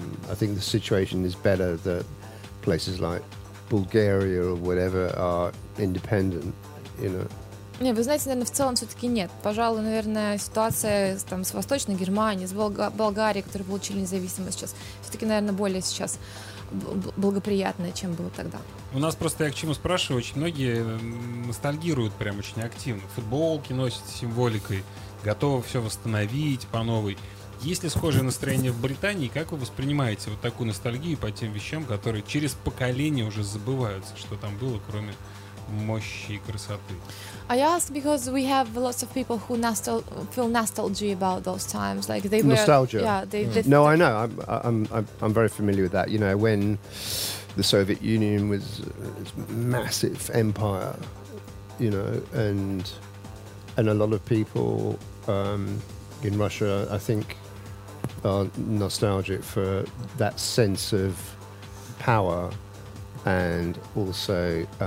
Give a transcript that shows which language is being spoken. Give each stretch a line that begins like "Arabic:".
English: I think the situation is better that places like Bulgaria or whatever are independent, you know.
Russian: Не, вы знаете, наверное, в целом все-таки нет. Пожалуй, наверное, ситуация там с Восточной Германией, с Болгарией, которые получили независимость сейчас, все-таки, наверное, более сейчас благоприятная, чем было тогда. У нас просто, я к чему спрашиваю, очень многие ностальгируют прям очень активно. Футболки носят с символикой, готовы все восстановить по новой. Есть ли схожее настроение в Британии? Как вы воспринимаете вот такую ностальгию по тем вещам, которые через поколение уже забываются, что там было, кроме... мощи и красоты.
English: I ask because we have lots of people who feel nostalgia about those times, like they nostalgia. Were. Nostalgia. Yeah. No, I know. I'm very familiar with that. You know, when the Soviet Union was this massive empire, you know, and a lot of people in Russia, I think, are nostalgic for that sense of power, and also.